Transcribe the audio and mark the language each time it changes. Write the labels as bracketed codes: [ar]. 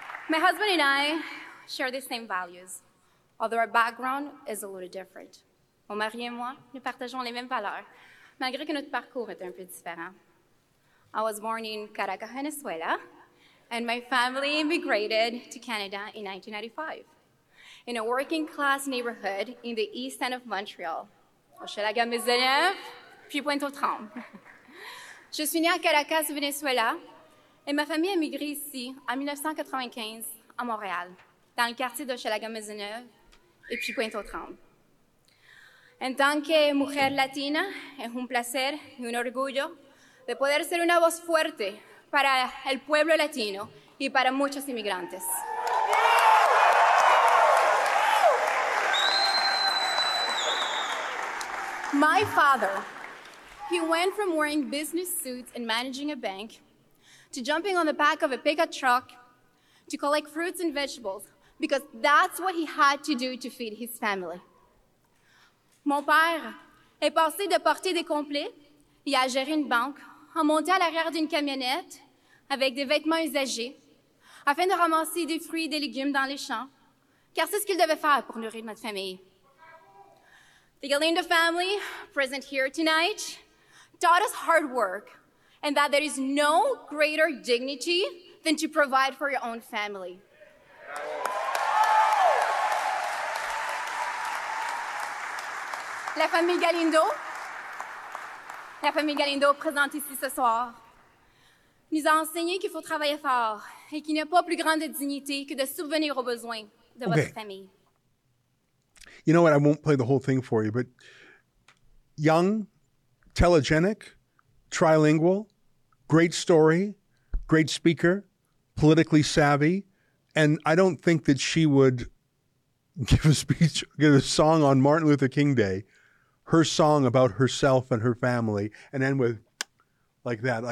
[en] My husband and I share the same values, although our background is a little different. [fr] Mon mari et moi, nous partageons les mêmes valeurs, malgré que notre parcours est un peu différent. [en] I was born in Caracas, Venezuela, and my family immigrated to Canada in 1995. In a working-class neighborhood in the east end of Montreal. [fr] Hochelaga, mes élèves, puis Pointe-aux-Trembles. Je suis née à Caracas, Venezuela, et ma famille a migré ici en 1995 à Montréal, dans le quartier d'Hochelaga, mes élèves, et puis Pointe-aux-Trembles. En tant que [es] mujer latina, es un placer y un orgullo de poder ser una voz fuerte para el pueblo latino y para muchos inmigrantes. [en] My father, he went from wearing business suits and managing a bank to jumping on the back of a pickup truck to collect fruits and vegetables because that's what he had to do to feed his family. [fr] Mon père est passé de porter des complets et à gérer une banque à monter à l'arrière d'une camionnette avec des vêtements usagés afin de ramasser des fruits et des légumes dans les champs car c'est ce qu'il devait faire pour nourrir notre famille. [en] The Galindo family, present here tonight, taught us hard work and that there is no greater dignity than to provide for your own family. [fr] La famille Galindo présente ici ce soir, nous a enseigné qu'il faut travailler fort et qu'il n'y a pas plus grande dignité que de subvenir aux besoins de votre famille. [en] You know what? I won't play the whole thing for you, but young, telegenic, trilingual, great story, great speaker, politically savvy, and I don't think that she would give a speech, give a song on Martin Luther King Day, her song about herself and her family, and end with like that.